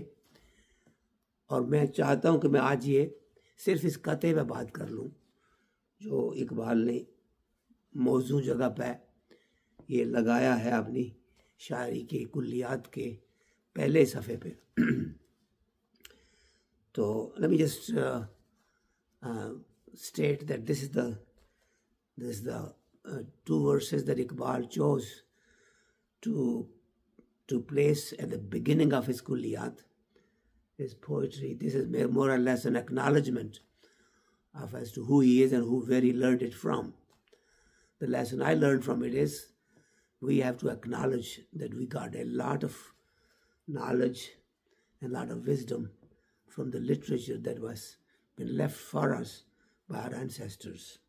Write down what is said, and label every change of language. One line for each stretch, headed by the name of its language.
Urdu: اور میں چاہتا ہوں کہ میں آج یہ صرف اس قطعے پہ بات کر لوں جو اقبال نے موضوع جگہ پہ یہ لگایا ہے اپنی شاعری کے کلیات کے پہلے صفحے پہ.
English: تو let me just state that this is the two verses that Iqbal chose to place at the beginning of his Kulliyat his poetry. This is more or less an acknowledgement of as to who he is and who where he learn it from. The lesson I learn from it is we have to acknowledge that we got a lot of knowledge and lot of wisdom from the literature that was been left for us by our ancestors.